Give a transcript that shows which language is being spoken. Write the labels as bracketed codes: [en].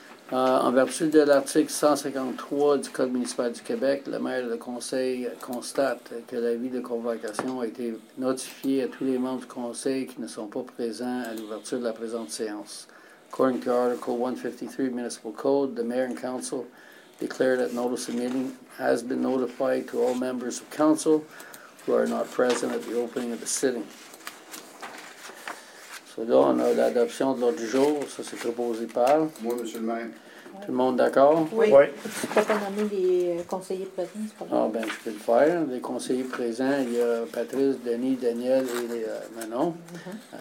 [fr] En vertu de l'article 153 du Code municipal du Québec, le maire et le conseil constate que l'avis de convocation a été notifié à tous les membres du conseil qui ne sont pas présents à l'ouverture de la présente séance. [en] According to Article 153 Municipal Code, the mayor and council declare that notice of meeting has been notified to all members of council who are not present at the opening of the sitting. [fr] Là, on a l'adoption de l'ordre du jour. Ça, c'est proposé par... Moi, M. le maire. Tout le monde d'accord? Oui. Oui. Je ne peux pas nommer les conseillers présents. Ah, bien, je peux le faire. Les conseillers présents, il y a Patrice, Denis, Daniel et Manon. Mm-hmm.